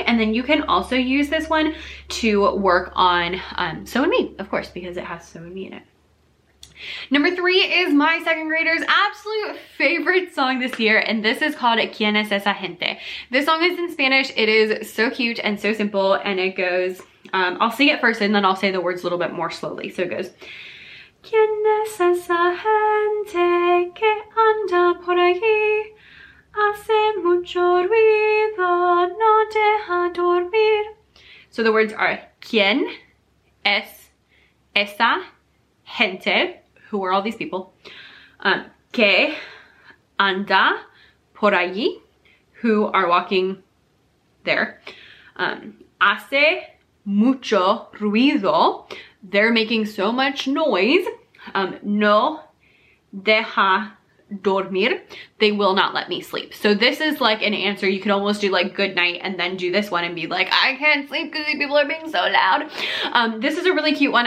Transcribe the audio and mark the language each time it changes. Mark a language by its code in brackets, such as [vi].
[en] And then you can also use this one to work on So and Me, of course, because it has So and Me in it. Number three is my second grader's absolute favorite song this year, and this is called ¿Quién es esa gente? This song is in Spanish. It is so cute and so simple, and it goes, I'll sing it first and then I'll say the words a little bit more slowly. So it goes, [es] ¿Quién es esa gente que anda por ahí? Hace mucho ruido, no deja dormir. [en] So the words are, [es] ¿Quién es esa gente? [en] Who are all these people? [es] ¿Qué anda por allí? [en] Who are walking there? [es] Hace mucho ruido. [en] They're making so much noise. [es] No deja dormir. [en] They will not let me sleep. So this is like an answer. You can almost do like good night and then do this one and be like, I can't sleep because these people are being so loud. This is a really cute one.